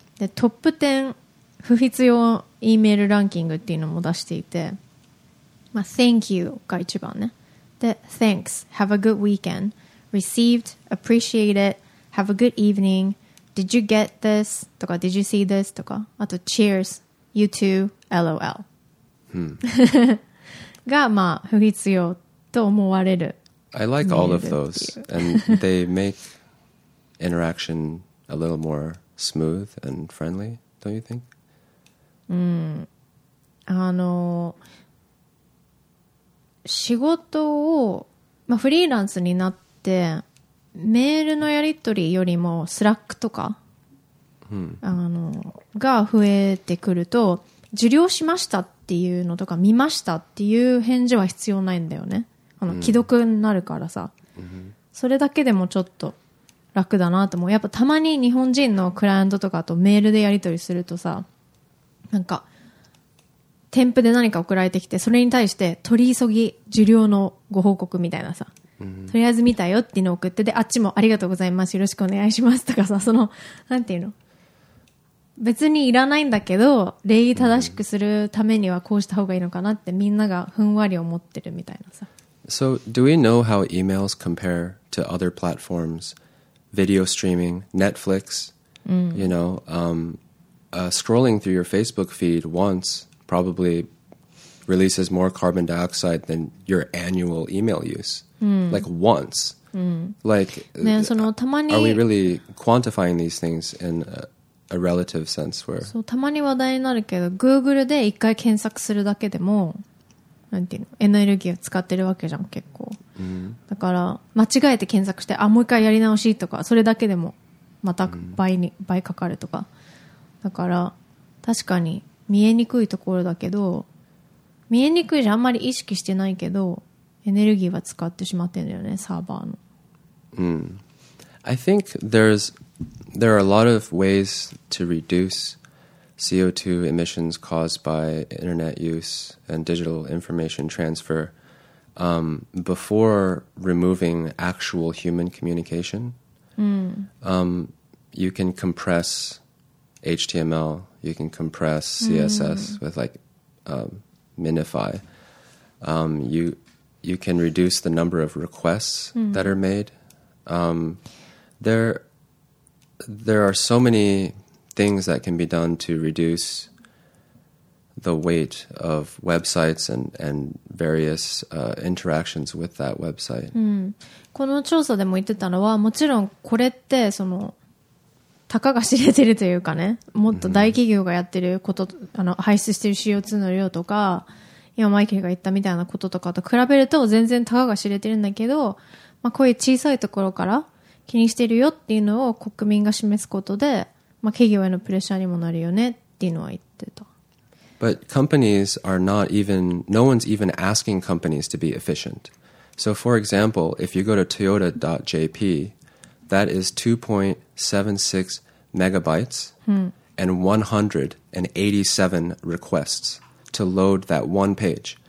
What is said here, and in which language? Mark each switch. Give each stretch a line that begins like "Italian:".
Japanese: でトップ10不必要 e メールランキングっていうのも出していて、まあ、
English: thank you
Japanese: が一番ね、で
English: thanks、 have a good weekendreceived, appreciate it, have a good evening, did you get this?
Japanese: とか
English: did you see this?
Japanese: とか、あと
English: cheers, you too, lol、 hmm.
Japanese: がまあ不必要と思われる。
English: I like all of those and they make interaction a little more smooth and friendly, don't you think?
Japanese: うん、あの仕事を、まあ、フリーランスになってで、メールのやり取りよりもスラックとか、うん、あのが増えてくると、受領しましたっていうのとか見ましたっていう返事は必要ないんだよね、あの、うん、既読になるからさ、うん、それだけでもちょっと楽だなと思う。やっぱたまに日本人のクライアントとかとメールでやり取りするとさ、なんか添付で何か送られてきて、それに対して取り急ぎ受領のご報告みたいなさ、とりあえず見たよっていうのを送って、であっちもありがとうございます、よろしくお願いしますとかさ、そのなんていうの、別にいらないんだけど礼儀正しくするためにはこうした方がいいのかなってみんながふんわり思ってるみたいなさ。
English: So do we know how emails compare to other platforms? Video streaming, Netflix,、you know,、scrolling through your Facebook feed once probably releases more carbon dioxide than your annual email use.、Like once.、Like,、
Japanese: ね、そのたまに
English: are we really quantifying these things in a relative sense where...
Japanese: そう、たまに話題になるけど、Google で一回検索するだけでも、なんていうの、エネルギーを使ってるわけじゃん、結構。だから、間違えて検索して、あ、もう一回やり直しとか、それだけでも、また倍に、倍かかるとか。だから、確かに、見えにくいところだけど、見えにくいじゃあんまり意識してないけど、エネルギーは使ってしまってるんだよね、サーバーの。
English: I think there are a lot of ways to reduce CO2 emissions caused by internet use and digital information transfer before removing actual human communication. You can compress HTML, you can compress CSS with like Minify. You can reduce the number of requests that are made. There are so many things that can be done to reduce the weight of websites and various interactions with that website.
Japanese: この調査でも言ってたのは、もちろんこれってそのたかが知れてるというかね、もっと大企業がやってること、あの排出してる CO2 の量とか、今マイケルが言ったみたいなこととかと比べると全然たかが知れてるんだけど、まあ、こういう小さいところから気にしてるよっていうのを国民が示すことで、まあ、企業へのプレッシャーにもなるよねっていうのは言ってた。
English: But companies are not even, no one's even asking companies to be efficient. So for example, if you go to toyota.jp, that is 2.76 megabytes and 187 requests to load that one page.